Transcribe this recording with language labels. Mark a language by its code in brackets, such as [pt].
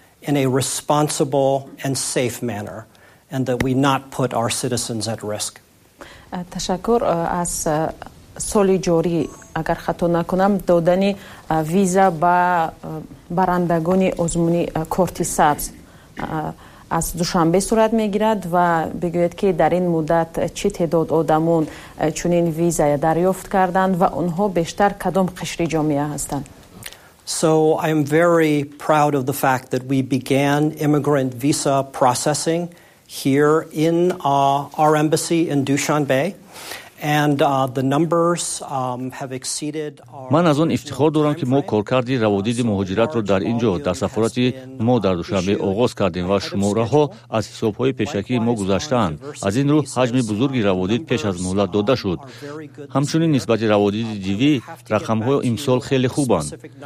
[en] In a responsible and safe manner, and that we not put our citizens at risk. [fa] تشکر از سالی جوری اگر خطا نکنم دادنی ویزا با برندگانی ازمونی کارت سبز از دوشنبه صورت میگیرد و بگوید که در این مدت چه تعداد آدمون چنین ویزا دریافت کردند و اونها بیشتر کدام قشر جامعه هستند؟ [en] So I am very proud of the fact that we began immigrant visa processing here in our embassy in Dushanbe. And the numbers have exceeded our [fa] من از اون افتخار دارم که ما کارکردی روادید مهاجرت رو در اینجا در سفارت ما در دوشنبه آغاز کردیم و شماره ها از حساب های پیشکی ما گذشتند. از این رو حجم بزرگی روادید پیش از مهلت داده شد. همچنین نسبت روادید دیوی رقم های امسال خیلی خوبند.